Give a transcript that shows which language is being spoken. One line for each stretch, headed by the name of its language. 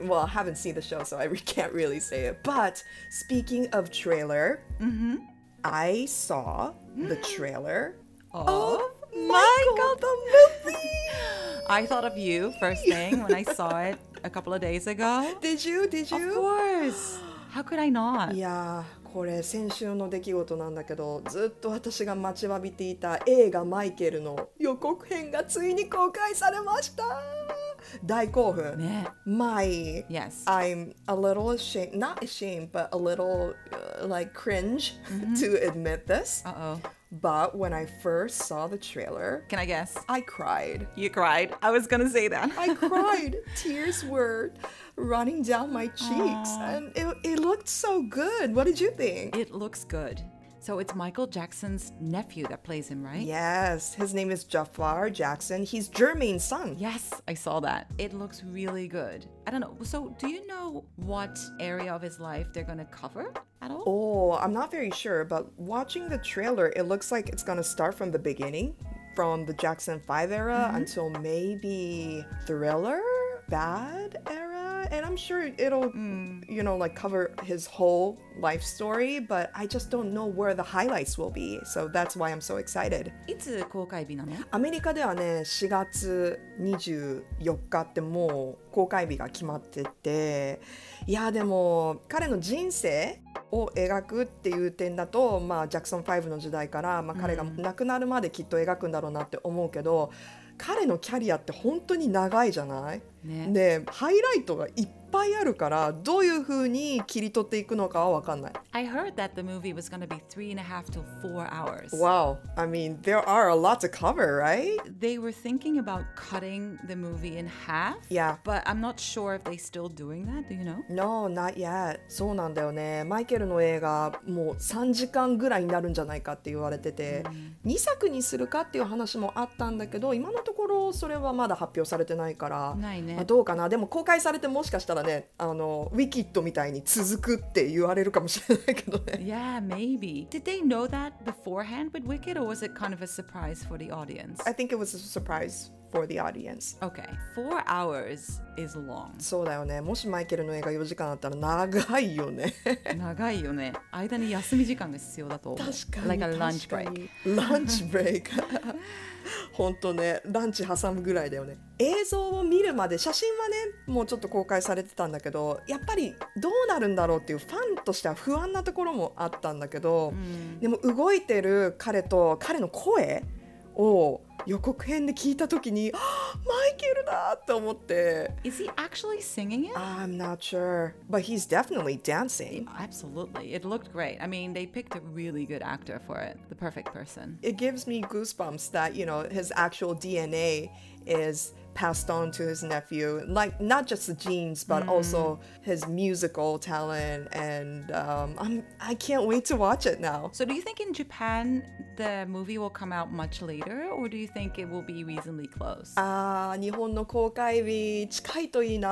English: Well, I haven't seen the show, so I can't really say it. But speaking of trailer, I saw the trailer of Michael the Movie. I thought of you first thing when I saw it. a couple of days ago. Did you? Of course. How could I not? Yeah.
Japanese: これ先週の出来事なんだけど、ずっと私が待ちわびていた映画マイケルの予告編がついに公開されました。大興奮。ね。
English: My. Yes. I'm a little ashamed, not ashamed, but a little like cringe、mm-hmm. to admit this. Uh-oh. But when I first saw the trailer, can I guess? I cried. You cried? I was gonna say that. I cried. Tears were. Running down my cheeks. Aww. And it looked so good. What did you think? It looks good. So it's Michael Jackson's nephew that plays him, right? Yes. His name is Jafar Jackson. He's Jermaine's son. Yes, I saw that. It looks really good. I don't know. So do you know what area of his life they're going to cover at all? Oh, I'm not very sure. But watching the trailer, it looks like it's going to start from the beginning. From the Jackson 5 era、mm-hmm. until maybe Thriller? Bad era? And I'm sure it'll,、mm. you know, like cover his whole life story, but I just don't know where the highlights will be. So that's why I'm so excited.
Japanese: いつ公開日なの？アメリカではね、4月24日ってもう公開日が決まってて、いやでも彼の人生を描くっていう点だと、まあジャクソン5の時代から、まあ彼が亡くなるまできっと描くんだろうなって思うけど、うん彼のキャリアって本当に長いじゃない、ね、でハイライトがいっぱいあるからどういう風に切り取っていくのかは分かんない
English: I heard that the movie was going to be 3.5 to 4 hours. Wow, I mean, there are a lot to cover, right? They were thinking about cutting the movie in half. Yeah. But I'm not sure if they're still doing that, do you know? No, not yet.
Japanese: そうなんだよね。マイケルの映画もう3時間ぐらいになるんじゃないかって言われてて、mm. 2作にするかっていう話もあったんだけど、今のところそれはまだ発表されてないから、ないね。まあ、どうかな。でも公開されてもしかしたらね、ウィキッドみたいに続くって言われるかもしれない。
English: yeah, maybe. Did they know that beforehand with Wicked, or was it kind of a surprise for the audience? I think it was a surprise for the audience. Okay, 4 hours is long.
Japanese: そうだよね。もしマイケルの映画4時間だったら長いよね。長いよね。間に休み時間が必要だと。確かに。
English: Like a lunch break. Lunch break.
Japanese: 本当ね、ランチ挟むぐらいだよね。映像を見るまで、写真はね、もうちょっと公開されてたんだけど、やっぱりどうなるんだろうっていうファンとしては不安なところもあったんだけど、うん、でも動いてる彼と彼の声を予告編で聞いた時に、マイケルだと思って。
English: Is he actually singing it? I'm not sure, but he's definitely dancing. Absolutely, it looked great. I mean, they picked a really good actor for it, the perfect person. It gives me goosebumps that, you know, his actual DNA is passed on to his nephew. Like, not just the genes, but、mm. also his musical talent. And、I can't wait to watch it now. So do you think in Japan... The movie will come out much later, or do you think it will be reasonably close?
Japanese: Ah, 日本の公開日近いといいな。